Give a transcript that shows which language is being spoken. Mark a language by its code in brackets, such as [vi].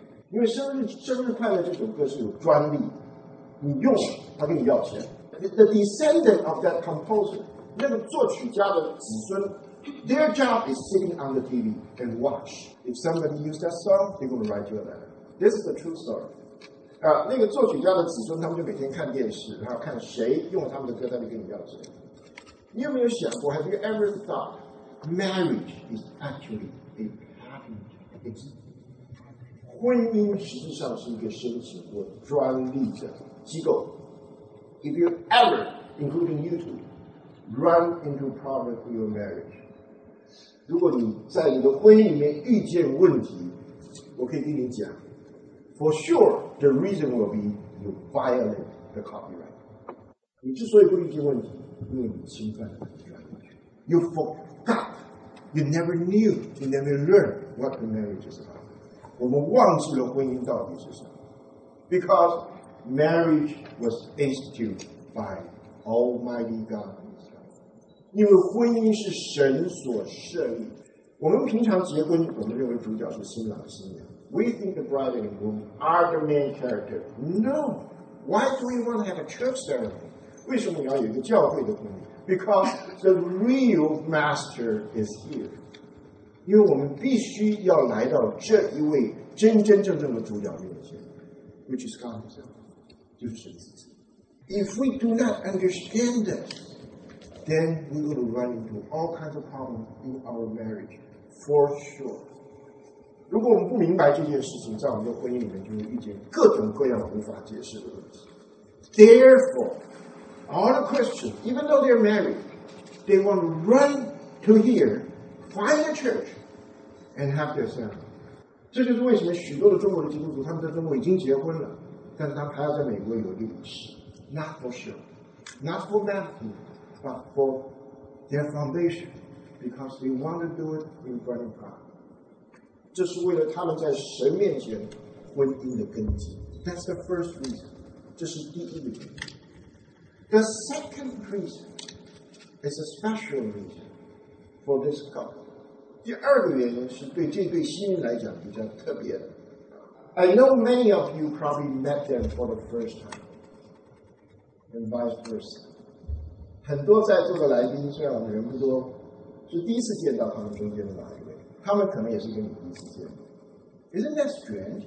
[zh] 因为生日快乐这首歌是有专利。你用了，他跟你要钱。 [en] The descendant of that composer, [zh] 那个作曲家的子孙 [en] ，their job is sitting on the TV and watch. If somebody used that song, they're going to write you a letter. This is the true story. [zh] 那个作曲家的子孙，他们就每天看电视，然后看谁用了他们的歌，他就跟你要钱。你有没有想过 [en] ，Have you ever thought marriage is actually a patent existing. [zh] 婚姻实际上是一个申请或专利的机构。 [en] If you ever, including you two, run into a problem with your marriage, [zh] 如果你在你的婚姻里面遇见问题，我可以跟你讲 [en] ，For sure, the reason will be you violate the copyright. [zh] 你之所以不遇见问题，因为你侵犯了专利权。 [en] You forgot, you never knew, you never learned what the marriage is about. [zh] 我们忘记了婚姻到底是什么 [en] ，because marriage was instituted by Almighty God Himself. [zh] 因为婚姻是神所设立。我们平常结婚，我们认为主角是新郎新娘。 [en] We think the bride and groom are the main character. No. Why do we want to have a church ceremony? [zh] 为什么你要有一个教会的婚礼 [en] ？Because the real master is here. [zh] 因为我们必须要来到这一位真真正正的主角面前 ， [en] which is God Himself， [zh] 就是神自己。 [en] If we do not understand this. Then we will run into all kinds of problems in our marriage, for sure. [zh] 如果我们不明白这件事情，在我们的婚姻里面就会遇见各种各样无法解释的问题。 [en] Therefore, all the Christians, even though they're married, they want to run to here, find a church, and have their ceremony. [zh] 这就是为什么许多的中国的基督徒，他们在中国已经结婚了，但是他们还要在美国有一个仪式。 [en] Not for sure. Not for marriage. But for their foundation, because they want to do it in front of God. [zh] 这是为了他们在神面前婚姻的根基。 [en] That's the first reason. [zh] 这是第一个原因。 [en] The second reason is a special reason for this couple. [zh] 第二个原因是对这对新人来讲比较特别的。 [en] I know many of you probably met them for the first time, and vice versa. [zh] 很多在座的来宾虽然我们人不多是第一次见到他们中间的哪一位他们可能也是跟你第一次见的 [en] Isn't that strange?